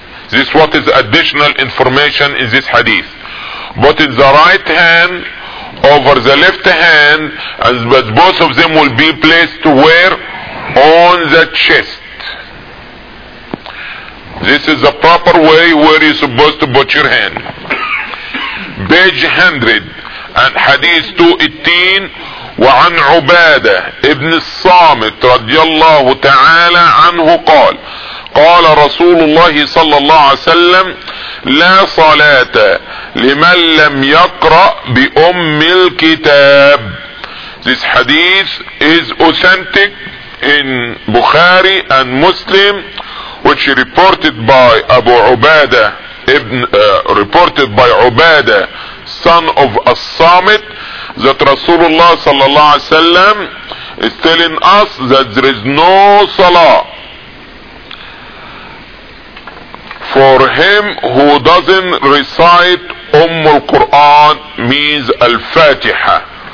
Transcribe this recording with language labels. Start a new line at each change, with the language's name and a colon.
English: This is what is additional information in this hadith. But in the right hand over the left hand, and but both of them will be placed where? On the chest. This is the proper way where you're supposed to put your hand. Page 100. And hadith 218,
Arabic: وعن عبادة ابن الصامت رضي الله تعالى عنه قال قال رسول الله صلى الله عليه وسلم لا صلاة لمن لم يقرأ بأم الكتاب.
English: This hadith is authentic in Bukhari and Muslim, which reported by Abu Ubada ibn reported by Ubada son of As-Samit, that Rasulullah sallallahu alayhi wa sallam is telling us that there is no salah for him who doesn't recite Ummul Quran, means Al-Fatiha.